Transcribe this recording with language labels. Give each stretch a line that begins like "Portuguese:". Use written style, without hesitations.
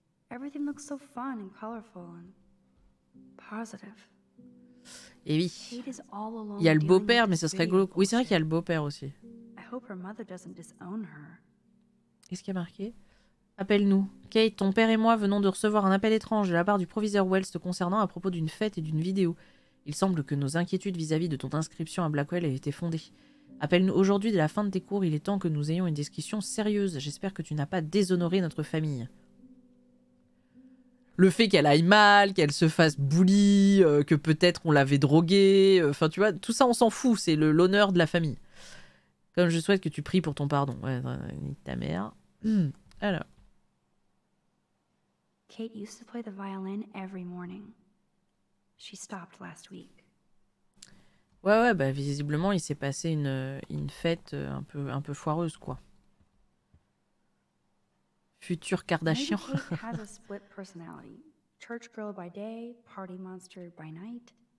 English: Everything looks so fun and colorful and positive.
French: Et oui, il y a le beau-père, mais ça serait cool. Oui, c'est vrai qu'il y a le beau-père aussi. Est-ce qu'il y a marqué? Appelle-nous. Kate, ton père et moi venons de recevoir un appel étrange de la part du proviseur Wells te concernant à propos d'une fête et d'une vidéo. Il semble que nos inquiétudes vis-à-vis de ton inscription à Blackwell aient été fondées. Appelle-nous aujourd'hui dès la fin de tes cours, il est temps que nous ayons une discussion sérieuse. J'espère que tu n'as pas déshonoré notre famille. Le fait qu'elle aille mal, qu'elle se fasse bully, que peut-être on l'avait droguée, enfin tu vois, tout ça on s'en fout, c'est l'honneur de la famille. Comme je souhaite que tu pries pour ton pardon. Ouais, nique ta mère. Alors.
English: Kate used to play the violin every morning. She stopped last week.
French: Ouais, ouais, bah visiblement il s'est passé une fête un peu foireuse, quoi. Futur Kardashian.
English: Maybe Kate has a split personality. Church girl by day, party monster by night.